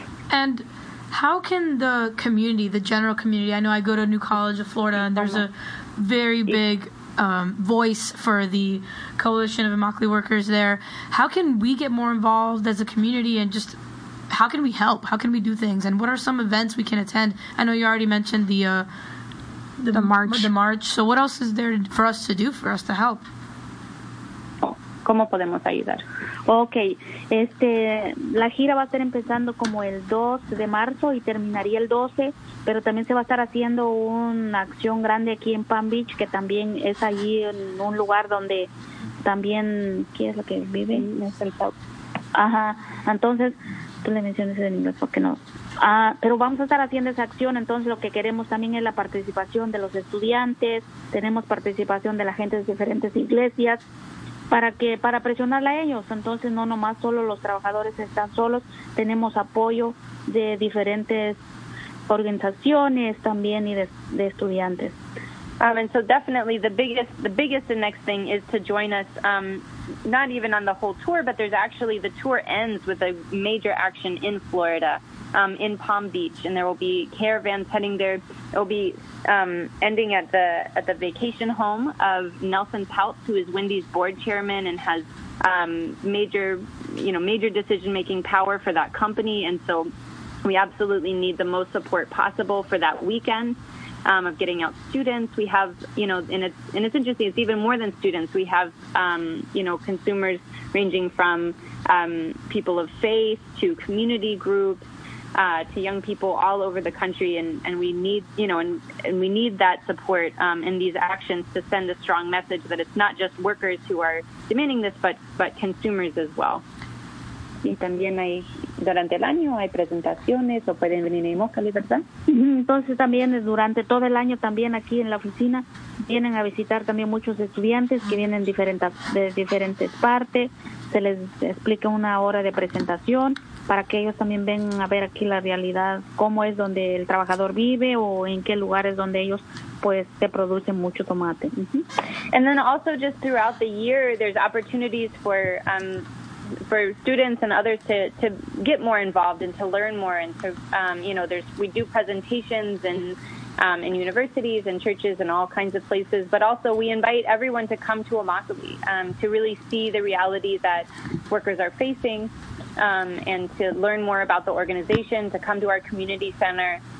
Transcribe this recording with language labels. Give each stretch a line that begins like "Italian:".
English: And how can the community, the general community, I know I go to New College of Florida and there's a very big voice for the Coalition of Immokalee Workers there. How can we get more involved as a community and just how can we help? How can we do things? And what are some events we can attend? I know you already mentioned the march. So what else is there for us to do, for us to help?
Spanish: ¿Cómo podemos ayudar? Okay, la gira va a estar empezando como el 2 de marzo y terminaría el 12, pero también se va a estar haciendo una acción grande aquí en Palm Beach, que también es allí en un lugar donde también, ¿qué es lo que vive? Es el Ajá, entonces tú le menciones en inglés, ¿por qué no? Pero vamos a estar haciendo esa acción. Entonces lo que queremos también es la participación de los estudiantes, tenemos participación de la gente de diferentes iglesias, para presionarla a ellos. Entonces no nomás solo los trabajadores están solos, tenemos apoyo de diferentes organizaciones también y de estudiantes.
English: And so definitely the biggest and next thing is to join us, not even on the whole tour, but there's actually the tour ends with a major action in Florida, in Palm Beach, and there will be caravans heading there. It will be ending at the vacation home of Nelson Peltz, who is Wendy's board chairman and has major decision-making power for that company. And so we absolutely need the most support possible for that weekend. Of getting out students. We have, you know, and it's interesting, it's even more than students. We have, consumers ranging from people of faith to community groups to young people all over the country. And we need, we need that support in these actions to send a strong message that it's not just workers who are demanding this, but consumers as well.
Spanish: Y también hay, durante el año hay presentaciones, o pueden venir en Moscale, ¿verdad? Entonces también durante todo el año también aquí en la oficina vienen a visitar también muchos estudiantes que vienen de diferentes partes. Se les explica una hora de presentación para que ellos también vengan a ver aquí la realidad, cómo es donde el trabajador vive o en qué lugares donde ellos pues se producen mucho tomate.
English: And then also just throughout the year there's opportunities for students and others to get more involved and to learn more and to we do presentations in universities and churches and all kinds of places, but also we invite everyone to come to Immokalee to really see the reality that workers are facing and to learn more about the organization, to come to our community center.